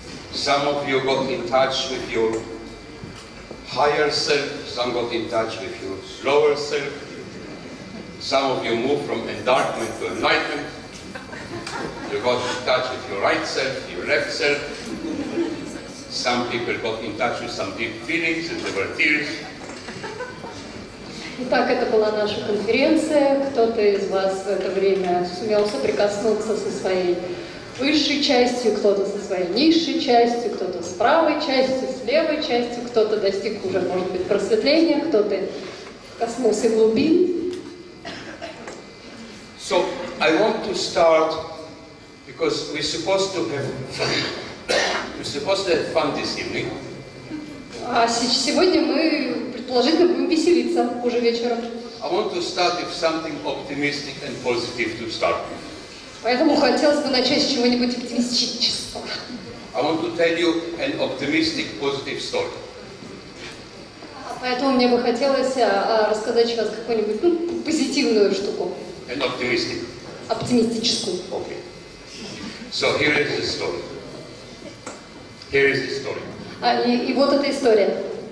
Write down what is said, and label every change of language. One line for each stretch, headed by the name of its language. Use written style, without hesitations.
English: Some of you got in touch with your higher self, some got in touch with your lower self. Some of you moved from enlightenment to enlightenment. You got in touch with your right self, your left self. Some people got in touch with some deep feelings and there were tears.
Russian: Итак, это была наша конференция. Кто-то из вас в это время сумел соприкоснуться со своей высшей частью, кто-то со своей низшей частью, кто-то с правой частью, с левой частью, кто-то достиг уже, может быть, просветления, кто-то коснулся глубин.
English: So I want to start because we're supposed to have fun. We're supposed to have fun this evening.
Russian: А сегодня мы предположительно будем веселиться уже вечером.
English: I want to start with something optimistic and positive to start with.
Russian: Поэтому хотелось бы начать с чего-нибудь оптимистического.
English: I want to tell you an optimistic, positive story.
Russian: Поэтому мне бы хотелось рассказать сейчас какую-нибудь позитивную штуку.
English: An optimistic.
Russian: Оптимистическую.
English: Okay. So here is the story. Here is the story.
Russian: И вот эта история.